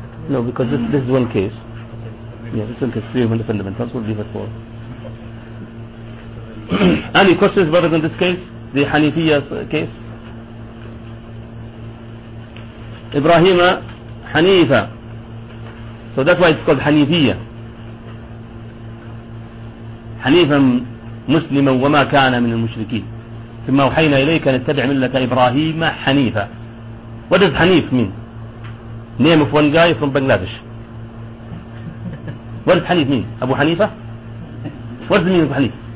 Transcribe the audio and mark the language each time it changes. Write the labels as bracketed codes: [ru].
[en] No, because this is one case. Yeah, this is one case, three fundamentals, we'll leave it for. Any questions, brothers, in this case? The Hanifiya case? [ar] إبراهيم حنيفة. [en] So that's why it's called حنيفية. [ar] حنيفا مسلما وما كان من المشركين. ثم أوحينا إليك أن اتبع ملة إبراهيم حنيفة. [en] What does حنيف mean? Name of one guy from Bangladesh. What does حنيف mean? [ar] أبو حنيفة? [en] What does it mean of حنيف?